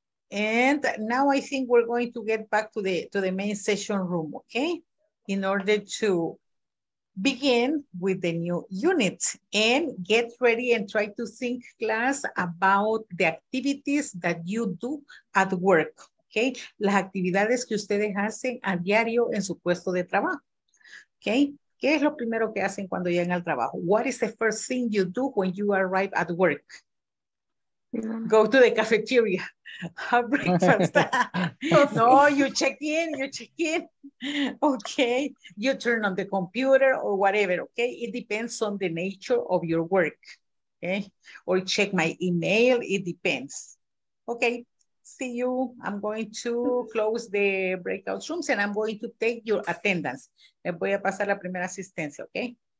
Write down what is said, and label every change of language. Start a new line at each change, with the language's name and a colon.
English: And now I think we're going to get back to the main session room, okay? In order to begin with the new unit and get ready and try to think, class, about the activities that you do at work.
Spanish: Okay, las actividades que ustedes hacen a diario en su puesto de trabajo. Okay, ¿qué es lo primero que hacen cuando llegan al trabajo?
English: What is the first thing you do when you arrive at work? Go to the cafeteria. Have breakfast. No, you check in. Okay, you turn on the computer or whatever. Okay, it depends on the nature of your work. Okay, or check my email. It depends. Okay. See you. I'm going to close the breakout rooms and I'm going to take your attendance.
Spanish: Me voy a pasar la primera asistencia, ¿ok?